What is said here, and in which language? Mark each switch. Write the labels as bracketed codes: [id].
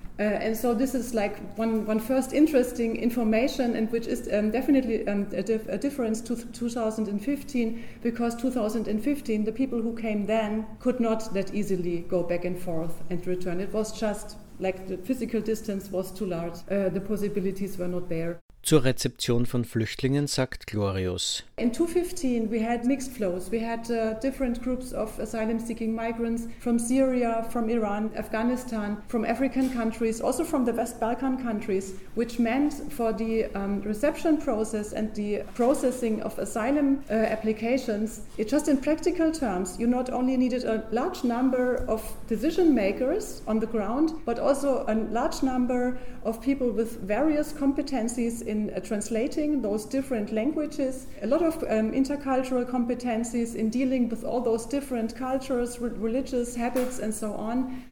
[en] And so this is like one first interesting information, and which is definitely a difference to 2015, because 2015 the people who came then could not that easily go back and forth and return. It was just like the physical distance was too large. The possibilities were not there. [de] Zur Rezeption von Flüchtlingen sagt Glorius. [en] In 2015 we had mixed flows. We had different groups of asylum-seeking migrants from Syria, from Iran, Afghanistan, from African countries, also from the West Balkan countries, which meant for the reception process and the processing of asylum applications, it just in practical terms, you not only needed a large number of decision makers on the ground, but also a large number of people with various competencies in translating those different languages, a lot of intercultural competencies in dealing with all those different cultures, religious habits, and so on.